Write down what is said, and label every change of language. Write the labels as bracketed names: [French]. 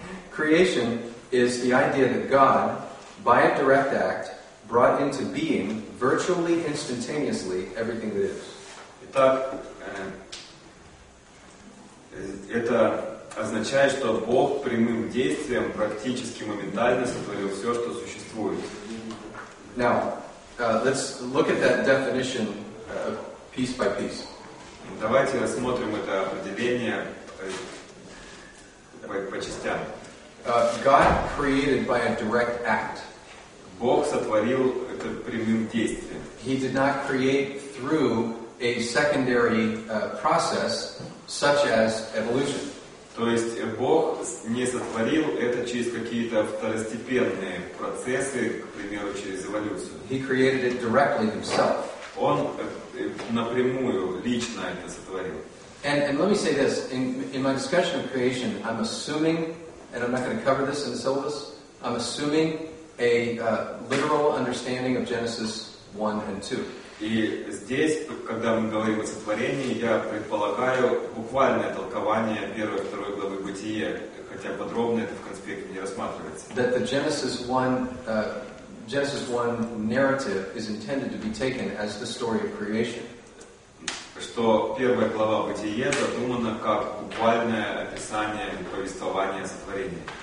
[English] Creation is the idea that God, by a direct act, brought into being virtually instantaneously everything that is. [Russian] Итак, это означает, что Бог прямым действием практически моментально сотворил все, что существует. [English] Now, let's look at that definition piece by piece. [Russian] Давайте рассмотрим это определение по частям. [English] God created by a direct act. [Russian] Бог сотворил это прямым действием. [English] He did not create through a secondary process, such as evolution. [Russian] То есть Бог не сотворил это через какие-то второстепенные процессы, к примеру, через эволюцию. [English] He created it directly himself. [Russian] Он напрямую лично это сотворил. [English] And let me say this, in my discussion of creation, I'm assuming, and I'm not going to cover this in the syllabus, I'm assuming a literal understanding of Genesis 1 and 2. [Russian] И здесь, когда мы говорим о сотворении, я предполагаю буквальное толкование первой и второй главы Бытия, хотя подробно это в конспекте не рассматривается. [English] That the Genesis 1 narrative is intended to be taken as the story of creation. [Russian] Что первая глава Бытия задумана как буквальное описание и повествование о сотворении.